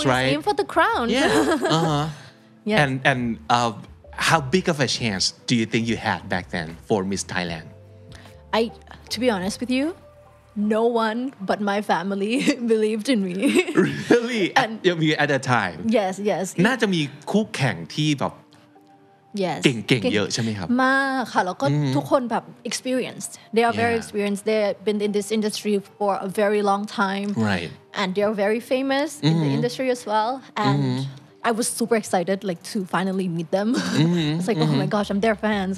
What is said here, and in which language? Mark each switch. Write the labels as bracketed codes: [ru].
[en] always right? aim for the crown. Yeah. Uh-huh. Yes. And how big of a chance do you think you had back then for Miss Thailand? I, to be honest with you, no one but my family believed in me. Really? And at that time? Yes, yes. [th] น่าจะมีคู่แข่งที่แบบเก่งๆเยอะใช่ไหมครับ มากค่ะแล้วก็ทุกคนแบบ [en] experienced they are very experienced they've been in this industry for a very long time right and they are very famous in the industry as well andI was super excited, like, to finally meet them. I was like, oh my gosh, I'm their fans.